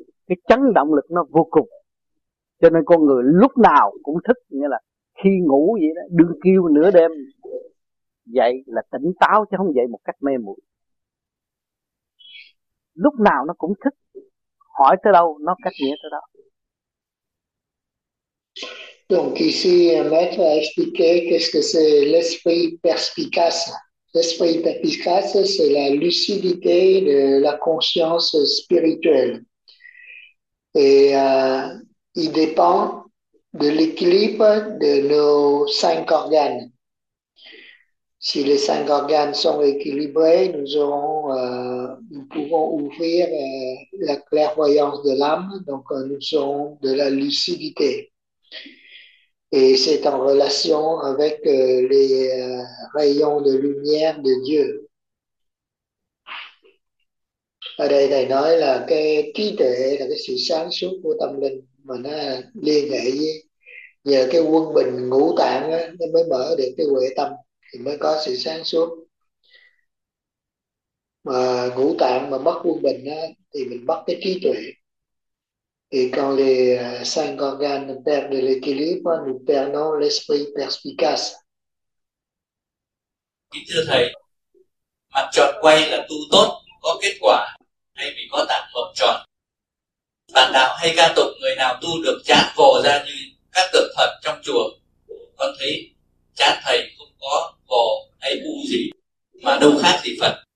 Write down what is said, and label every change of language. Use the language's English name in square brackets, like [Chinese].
[Vietnamese] Cái chấn động lực nó vô cùng. Cho nên con người lúc nào cũng thức. Nghĩa là khi ngủ vậy đó, đừng kêu nửa đêm dậy là tỉnh táo chứ không dậy một cách mê muội. Lúc nào nó cũng thức. Hỏi tới đâu nó cách nghĩa tới đó. [French] Donc ici, maître a expliqué qu'est-ce que c'est l'esprit perspicace. L'esprit perspicace, c'est la lucidité de la conscience spirituelle. Et il dépend de l'équilibre de nos cinq organes. Si les cinq organes sont équilibrés, nous pouvons ouvrir la clairvoyance de l'âme, donc nous aurons de la lucidité. Et c'est en relation avec les rayons de lumière de Dieu. [Vietnamese] Ở đây thầy nói là cái trí tuệ là cái sự sáng suốt của tâm linh mà nó liên hệ với nhờ cái quân bình ngũ tạng đó, nó mới mở được cái huệ tâm thì mới có sự sáng suốt. Mà ngũ tạng mà mất quân bình đó, thì mình mất cái trí tuệ. [French] Et quand les cinq organes perdent l'équilibre, nous perdons l'esprit perspicace. [Vietnamese] Thưa thầy, mặt tròn quay là tu tốt, có kết quả hay vì có tạng hợp tròn. Bạn đạo hay ca tụng người nào tu được chán vồ ra như các tượng Phật trong chùa, con thấy chán thầy không có vồ hay u gì mà đâu khác gì Phật.